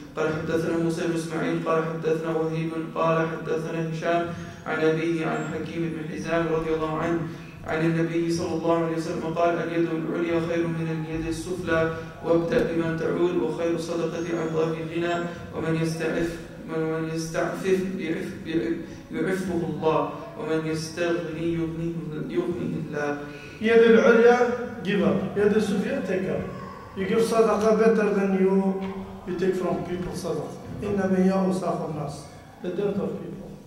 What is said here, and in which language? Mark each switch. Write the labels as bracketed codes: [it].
[ar] قال حدثنا موسى بن إسماعيل قال حدثنا وهيب قال حدثنا هشام عن أبيه عن حكيم بن حزام رضي الله عنه عن النبي صلى الله عليه وسلم قال اليد العليا خير من اليد السفلى وابدأ بمن تعول وخير الصدقة عن ظهر غنى ومن يستعفف يعفه الله ومن يستغني يغنيه الله. يد العليا [en] give up, [ar] يد السفلى [en] take up. You give صدقة better than you take from people صدقة. [ar] إنما ياهو صاف الناس [en] the dirt of people.